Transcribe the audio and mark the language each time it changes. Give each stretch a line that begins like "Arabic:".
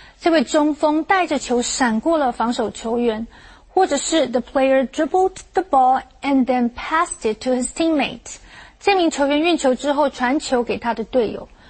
Chinese: 这位中锋带着球闪过了防守球员。或者是
English: the player dribbled the ball and then passed it to his teammate.
Chinese: 这名球员运球之后传球给他的队友。